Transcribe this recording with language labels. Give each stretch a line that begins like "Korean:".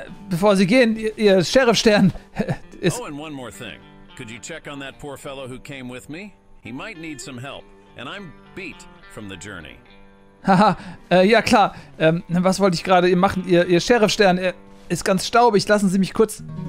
German: Bevor Sie gehen, Ihr Sheriff-Stern ist...
English: Oh, and one more thing. Could you check on that poor fellow who came with me? He might need some help. And I'm beat from the journey.
German: Haha, ja klar. Was wollte ich gerade machen? Ihr Sheriff-Stern ist ganz staubig. Lassen Sie mich kurz...